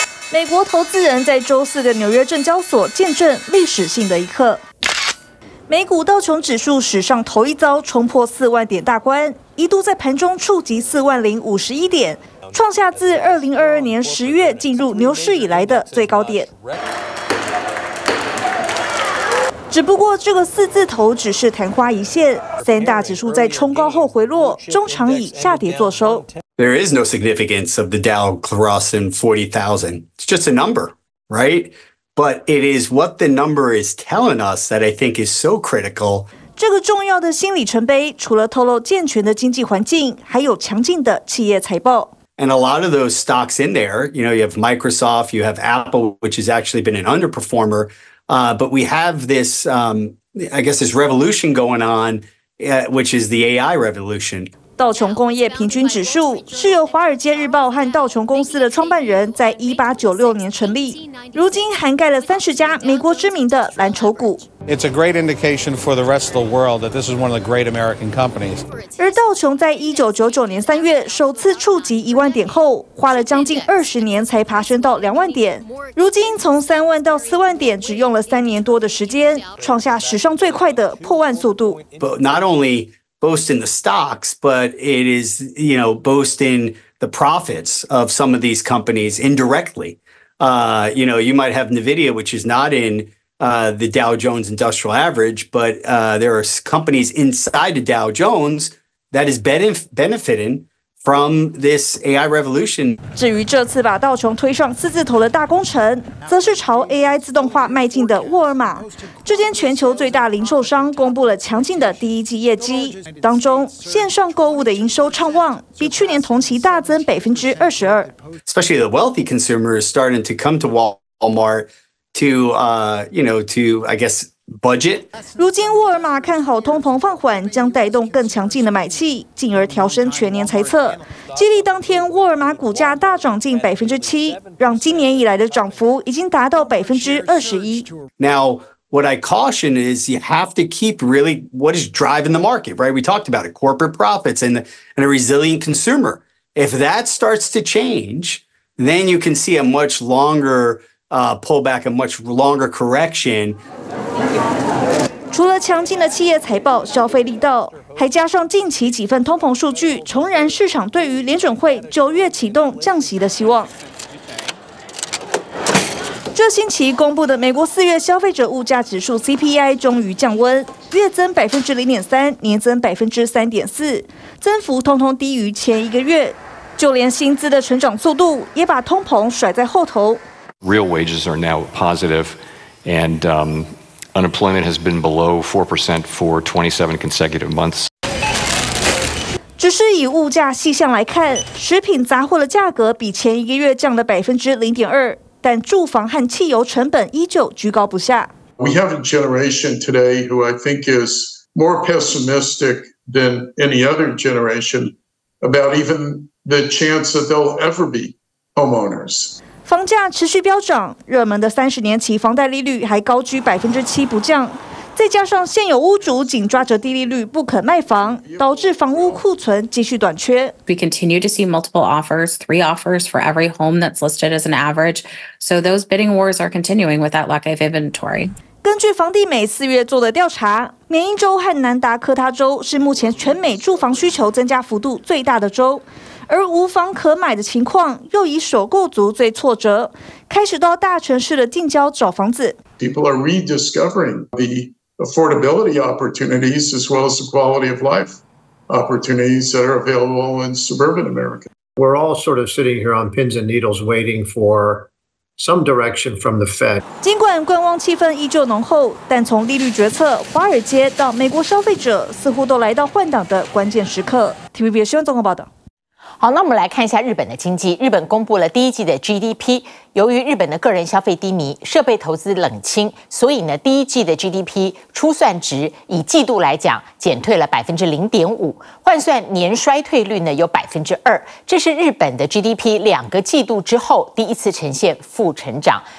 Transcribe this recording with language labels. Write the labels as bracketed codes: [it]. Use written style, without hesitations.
[zh] 美国投资人在周四的纽约证交所见证历史性的一刻，美股道琼指数史上头一遭冲破40,000点大关，一度在盘中触及40,051点，创下自2022年10月进入牛市以来的最高点。只不过这个四字头只是昙花一现，三大指数在冲高后回落，中场以下跌作收。 [en] There is no significance of the Dow crossing 40,000. It's just a number, right? But it is what the number is telling us that I think is so critical. [zh] 这个重要的新里程碑，除了透露健全的经济环境，还有强劲的企业财报。 [en] And a lot of those stocks in there, you know, you have Microsoft, you have Apple, which has actually been an underperformer. But we have this, I guess, this revolution going on, which is the AI revolution. [zh] 道琼工业平均指数是由华尔街日报和道琼公司的创办人在1896年成立，如今涵盖了30家美国知名的蓝筹股。 [en] It's a great indication for the rest of the world that this is one of the great American companies. [zh] 而道琼在1999年3月首次触及10,000点后，花了将近20年才爬升到20,000点。如今从30,000到40,000点只用了3年多的时间，创下史上最快的破万速度。 [en] But not only boasting the stocks, but it is, you know, boasting the profits of some of these companies indirectly. You know, you might have Nvidia, which is not in. The Dow Jones Industrial Average, but there are companies inside the Dow Jones that is benefiting from this AI revolution. [zh] 至于这次把道琼推上四字头的大功臣，则是朝 AI 自动化迈进的沃尔玛。这间全球最大零售商公布了强劲的第一季业绩，当中线上购物的营收畅旺，比去年同期大增22%。 [en] Especially the wealthy consumers starting to come to Walmart. To budget. [zh] 如今沃尔玛看好通膨放缓将带动更强劲的买气，进而调升全年财测，激励当天沃尔玛股价大涨近7%，让今年以来的涨幅已经达到21%。 [en] Now, what I caution is you have to keep really what is driving the market, right? We talked about it, corporate profits and a resilient consumer. If that starts to change, then you can see a much longer. Pullback a much longer correction. [zh] 除了强劲的企业财报、消费力道，还加上近期几份通膨数据，重燃市场对于联准会九月启动降息的希望。这星期公布的美国四月消费者物价指数 CPI 终于降温，月增0.3%，年增3.4%，增幅通通低于前一个月。就连薪资的成长速度，也把通膨甩在后头。 [en] Real wages are now positive, and unemployment has been below 4% for 27 consecutive months. [zh] 只是以物价细项来看，食品杂货的价格比前一个月降了0.2%，但住房和汽油成本依旧居高不下。 [en] We have a generation today who I think is more pessimistic than any other generation about even the chance that they'll ever be homeowners. [zh] 房价持续飙涨，热门的30年期房贷利率还高居7%不降，再加上现有屋主紧抓着低利率不肯卖房，导致房屋库存继续短缺。 [en] We continue to see multiple offers, 3 offers for every home that's listed as an average, so those bidding wars are continuing with that lack of inventory. [zh] 根据房地美4月做的调查，缅因州和南达科他州是目前全美住房需求增加幅度最大的州。而无房可买的情况又以首购族最挫折，开始到大城市的近郊找房子。 [en] People are rediscovering the affordability opportunities as well as the quality of life opportunities that are available in suburban America. We're all sort of sitting here on pins and needles waiting for some direction from the Fed. [zh] 尽管观望气氛依旧浓厚，但从利率决策、华尔街到美国消费者，似乎都来到换挡的关键时刻。 TVBS 新闻综合报道。好，那我们来看一下日本的经济。日本公布了第一季的 GDP， 由于日本的个人消费低迷、设备投资冷清，所以呢，第一季的 GDP 初算值以季度来讲减退了0.5%，换算年衰退率呢有2%，这是日本的 GDP 两个季度之后第一次呈现负成长。